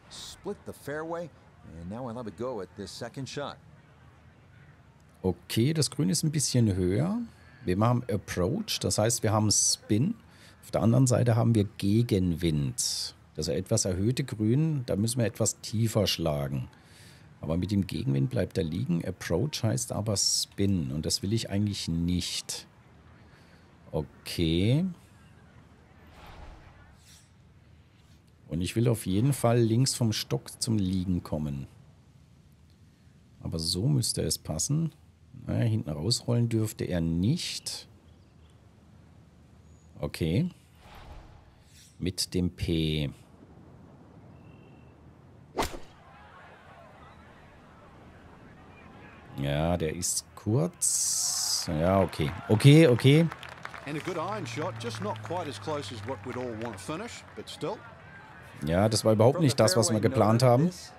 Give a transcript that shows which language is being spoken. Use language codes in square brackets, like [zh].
[en] Split the fairway and now I'll have a go at this second shot. [de] Okay, das Grün ist ein bisschen höher. Wir haben Approach, das heißt, wir haben Spin. Auf der anderen Seite haben wir Gegenwind. Das ist ein etwas erhöhte Grün, da müssen wir etwas tiefer schlagen. Aber mit dem Gegenwind bleibt er liegen. Approach heißt aber Spin und das will ich eigentlich nicht. Okay. Und ich will auf jeden Fall links vom Stock zum Liegen kommen. Aber so müsste es passen. Na, hinten rausrollen dürfte er nicht. Okay. Mit dem P. Ja, der ist kurz. Ja, okay. Okay, okay. [en] And a good iron shot, just not quite as close as what we'd all want to finish, but still. [de] Ja, das war überhaupt nicht das, was wir geplant haben.